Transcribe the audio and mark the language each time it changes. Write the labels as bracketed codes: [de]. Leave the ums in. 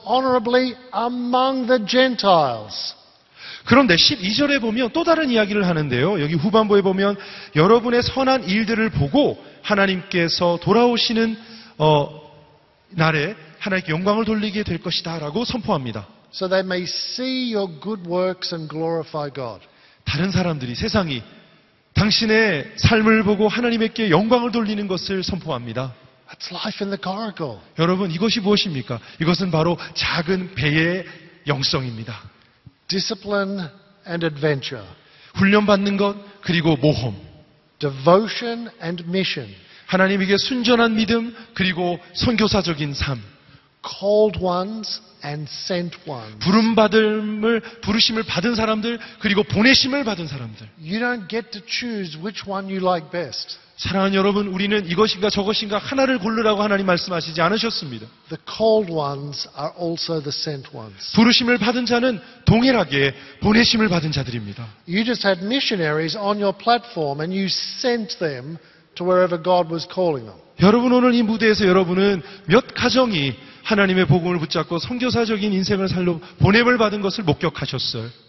[en] honorably among the gentiles. [ko] 그런데 12절에 보면 또 다른 이야기를 하는데요. 여기 후반부에 보면 여러분의 선한 일들을 보고 하나님께서 돌아오시는 어 날에 하나님께 영광을 돌리게 될 것이다라고 선포합니다. [en] So they may see your good works and glorify God. [ko] 다른 사람들이 세상이 당신의 삶을 보고 하나님에게 영광을 돌리는 것을 선포합니다. [en] That's life in the cargo. [ko] 여러분 이것이 무엇입니까? 이것은 바로 작은 배의 영성입니다. [en] discipline and adventure. [ko] 훈련받는 것 그리고 모험. [en] devotion and mission. [ko] 하나님에게 순전한 믿음 그리고 선교사적인 삶. [en] called ones and sent ones. [ko] 부름 받음을 부르심을 받은 사람들 그리고 보내심을 받은 사람들. [en] You don't get to choose which one you like best. [ko] 사랑하는 여러분, 우리는 이것인가 저것인가 하나를 고르라고 하나님 말씀하시지 않으셨습니다. [en] The called ones are also the sent ones. [ko] 부르심을 받은 자는 동일하게 보내심을 받은 자들입니다. [en] You just had missionaries on your platform and you sent them to wherever God was calling them. [ko] 여러분 오늘 이 무대에서 여러분은 몇 가정이 하나님의 복음을 붙잡고 선교사적인 인생을 살로 보냄을 받은 것을 목격하셨어요.